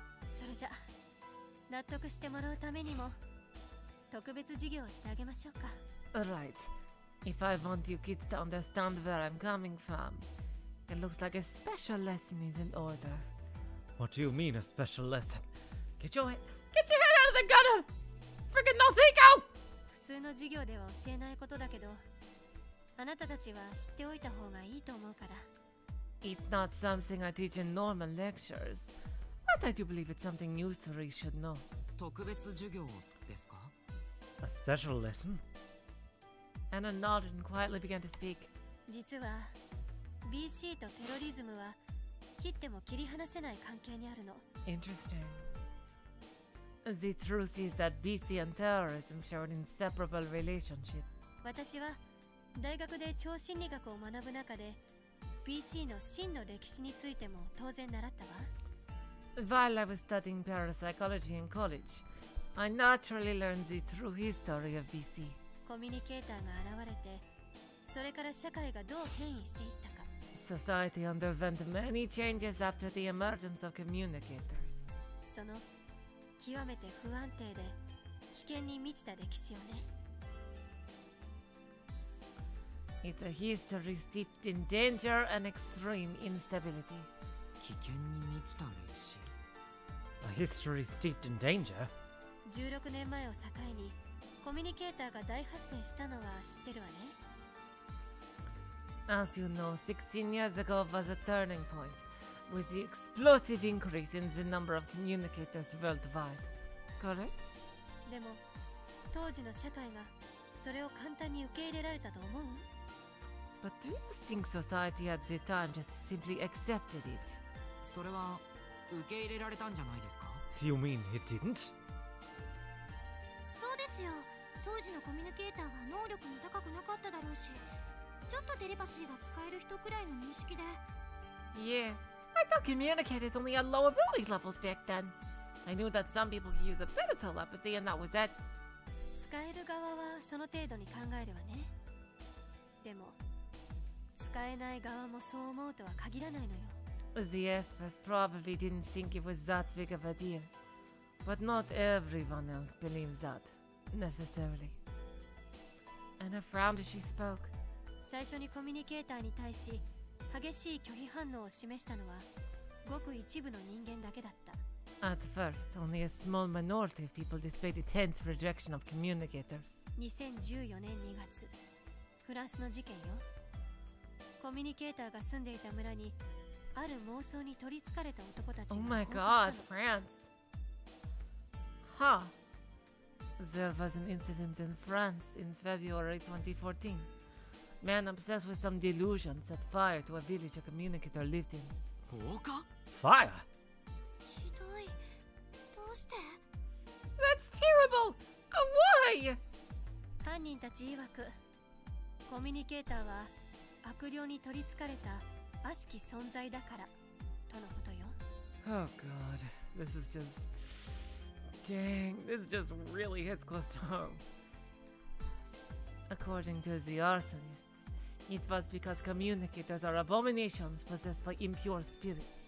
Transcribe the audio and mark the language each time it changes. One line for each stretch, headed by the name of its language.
Japanese: それじゃ、納得してもらうためにも特別授業をしてあげましょうか。
English: Right. If I want you kids to understand where I'm coming from, it looks like a special lesson is in order. What do you mean, a special lesson? Get your head out of the gutter! Freaking Natsuhiko!
Japanese: 普通の授業では教えないことだけど、あなたたちは知っておいた方がいいと思うから。
English: It's not something I teach in normal lectures, but I do believe it's something you three should know.
Japanese: 特別授業ですか?
English: A special lesson? Anna nodded and quietly began to speak.
Japanese: 実は、BC とテロリズムは切っても切り離せない関係にあるの。
English: Interesting. The truth is that BC and terrorism share an inseparable relationship.
Japanese: 私は大学で超心理学を学ぶ中で、 PC の真の歴史についても当然習ったわ。
English: While I was studying parapsychology in college, I naturally learned the true history of PC.
Japanese: コミュニケーターが現れて、それから社会がどう変異していったか。
English: Society underwent many changes after the emergence of communicators.
Japanese: その極めて不安定で危険に満ちた歴史よね。
English: It's a history steeped in danger and extreme instability.
Japanese: 危険に満ちた歴史。
English: A history steeped in danger?
Japanese: 16年前を境にコミュニケーターが大発生したのは知ってるわね。
English: As you know, 16 years ago was a turning point, with the explosive increase in the number of communicators worldwide. Correct?
Japanese: でも、当時の社会がそれを簡単に受け入れられたと思う？
English: But do you think society at the time just simply accepted it?
Japanese: それは受け入れられたんじゃないですか?
English: You mean it didn't?
Japanese: そうですよ。当時のコミュニケーターは能力も高くなかっただろうし、ちょっとテレパシーが使える人くらいの認識で。
English: Yeah, I thought communicators only had low ability levels back then. I knew that some people could use a bit of telepathy and that was it.
Japanese: 使える側はその程度に考えるわね。でも使えない側もそう思うとは限らないのよ。
English: The experts probably didn't think it was that big of a deal. But not everyone else believes that, necessarily. Anna frowned as she spoke.
Japanese: 最初にコミュニケーターに対し激しい拒否反応を示したのはごく一部の人間だけだった。
English: At first, only a small minority of people displayed intense rejection of communicators.
Japanese: 2014年2月、フランスの事件よ。コミュニケーターが住んでいた村にある妄想に取り憑かれた男たちが報告したの。
English: Oh my god, France! Huh. There was an incident in France in February 2014. Man obsessed with some delusion set fire to a village a communicator lived in.
Japanese: 放火?
English: Fire?
Japanese: ひどい。どうして?
English: That's terrible! Why?
Japanese: 犯人たち曰く、コミュニケーターは悪霊に取り憑かれた悪しき存在だからとのことよ。
English: Oh god, this is just... Dang, this just really hits close to home. According to the arsonists, it was because communicators are abominations possessed by impure spirits.